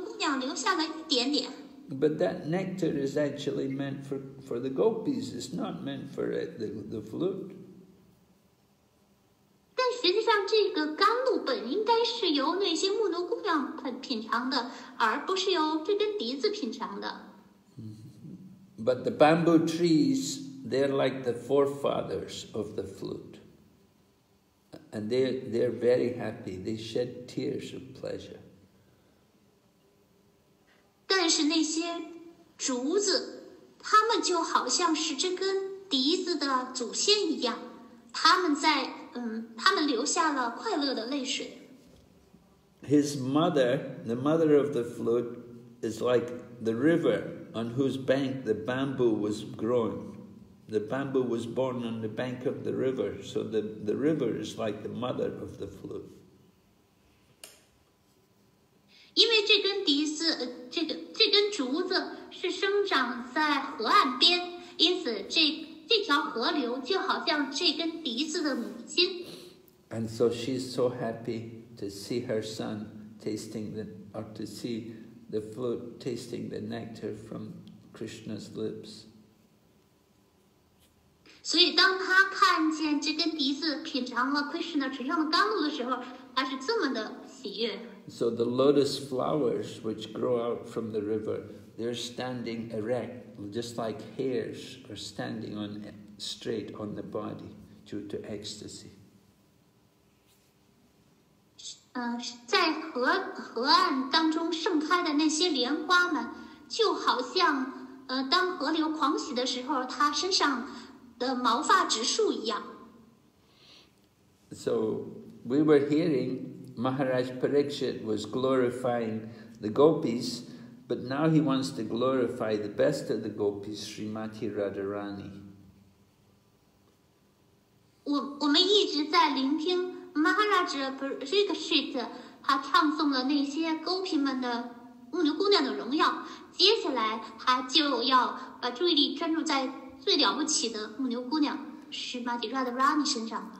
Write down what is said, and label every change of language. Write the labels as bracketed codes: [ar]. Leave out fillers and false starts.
[en] But that nectar is actually meant for the gopis, it's not meant for the flute. [zh] 但实际上这个甘露本应该是由那些木牛姑娘品尝的，而不是由这根笛子品尝的。 [en] But the bamboo trees, they're like the forefathers of the flute. And they're very happy. They shed tears of pleasure. [zh] 但是那些竹子，它们就好像是这根笛子的祖先一样，它们在他们留下了快乐的泪水。 [en] His mother, the mother of the flute, is like the river on whose bank the bamboo was grown. The bamboo was born on the bank of the river, so the river is like the mother of the flute. [zh] 因为这根笛子，这根竹子是生长在河岸边，因此这条河流就好像这根笛子的母亲。 [en] And so she's so happy to see her son tasting to see the flute tasting the nectar from Krishna's lips. [zh] 所以当她看见这根笛子品尝了 Krishna 唇上的甘露的时候，她是这么的喜悦。 [en] So the lotus flowers which grow out from the river, they're standing erect, just like hairs are standing on straight on the body due to ecstasy. [zh] 在 河岸当中盛开的那些莲花们，就好像当河流狂喜的时候，它身上的毛发直竖一样。 [en] So we were hearing Maharaj Parikshit was glorifying the gopis, but now he wants to glorify the best of the gopis, Srimati Radharani. [zh] 我们一直在聆听。Maharaj Parikshit, 他唱颂了那些勾皮们的牧牛姑娘的荣耀，接下来他就要把注意力专注在最了不起的牧牛姑娘 Srimati Radharani 身上。